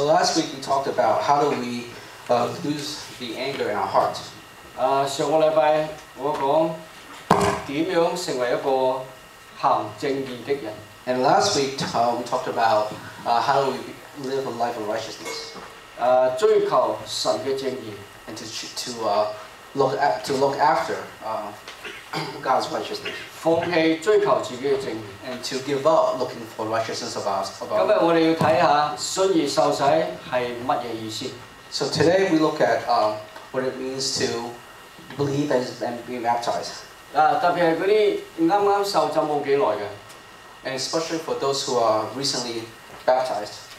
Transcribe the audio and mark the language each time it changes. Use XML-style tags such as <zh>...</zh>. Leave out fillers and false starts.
<en>last week we talked about how do we lose the anger in our heart.</en> <yue>上個禮拜我講點樣成為一個行正義的人。</yue> <en>And last week we talked about how do we live a life of righteousness.</en> <yue>追求神嘅正義。</yue> <en>And to look after God's righteousness.</en> <yue>放棄追求自己嘅正義。</yue> <en>And to give up looking for righteousness of ours.</en> <yue>今日我哋要睇下信而受洗係乜嘢意思。</yue> <en>So today we look at what it means to believe and be baptized.</en> <yue>特別係嗰啲啱啱受浸冇幾耐嘅。</yue> <en>And especially for those who are recently baptized.</en>